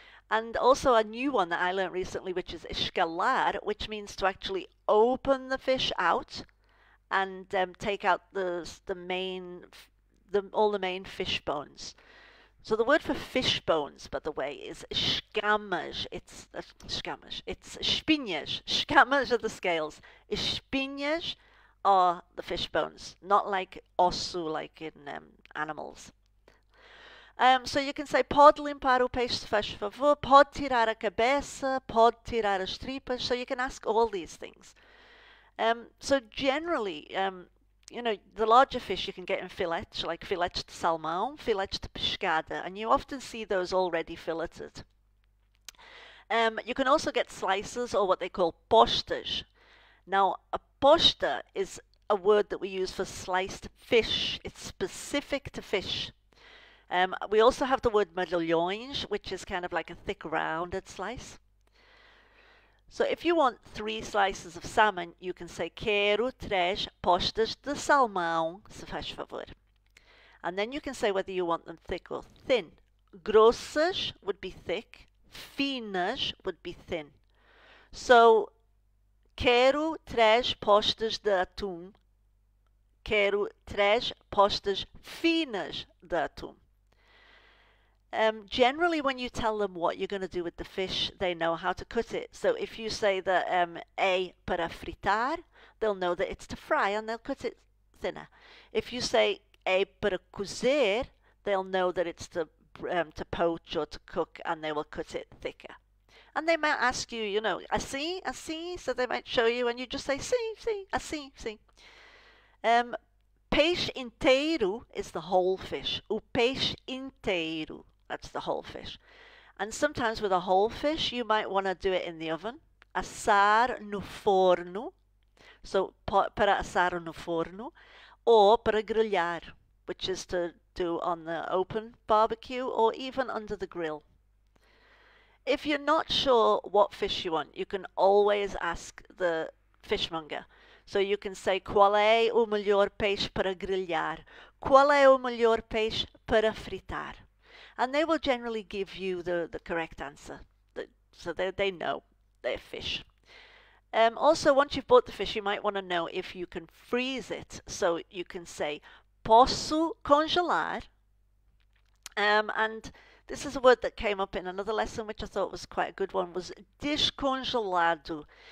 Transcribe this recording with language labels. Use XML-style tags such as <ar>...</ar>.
<en>And also a new one that I learned recently, which is escalar, which means to actually open the fish out and take out all the main fish bones. So the word for fish bones, by the way, is escamas. It's escamas. It's espinhas. Escamas are the scales. Espinhas are the fish bones, not like osso, like in animals. So you can say</en> <pt>pode limpar o peixe, se faz favor, pode tirar a cabeça, pode tirar as tripas.</pt> <en>So you can ask all these things. So generally, the larger fish you can get in filetes, like</en> <pt>filetes de salmão, filetes de pescada,</pt> <en>and you often see those already filleted. You can also get slices or what they call postas. Now, a posta is a word that we use for sliced fish. It's specific to fish. We also have the word medalhões, which is kind of like a thick rounded slice. So if you want three slices of salmon, you can say</en> <pt>quero três postas de salmão, se faz favor.</pt> <en>And then you can say whether you want them thick or thin. Grossas would be thick, Finas would be thin.</en> <pt>So, quero três postas de atum. Quero três postas finas de atum.</pt> <en>Generally, when you tell them what you're going to do with the fish, they know how to cut it. So, if you say that</en> <pt>é para fritar,</pt> <en>they'll know that it's to fry and they'll cut it thinner. If you say</en> <pt>é para cozer,</pt> <en>they'll know that it's to poach or to cook, and they will cut it thicker. And they might ask you,</en> <pt>assim, assim.</pt> <en>So they might show you, and you just say,</en> <pt>sim, sim, assim, sim.</pt> <en>Peixe inteiro is the whole fish.</en> <pt>O peixe inteiro,</pt> <en>that's the whole fish. And sometimes with a whole fish, you might want to do it in the oven.</en> <pt>Assar no forno. So para assar no forno.</pt> <en>Or para grelhar, which is to do on the open barbecue or even under the grill. If you're not sure what fish you want, you can always ask the fishmonger. So you can say,</en> <pt>qual é o melhor peixe para grelhar? Qual é o melhor peixe para fritar?</pt> <en>And they will generally give you the correct answer. So they know their fish. Also, once you've bought the fish, you might want to know if you can freeze it. So you can say,</en> <pt>posso congelar?</pt> <en>And this is a word that came up in another lesson, which I thought was quite a good one, was descongelado.</en>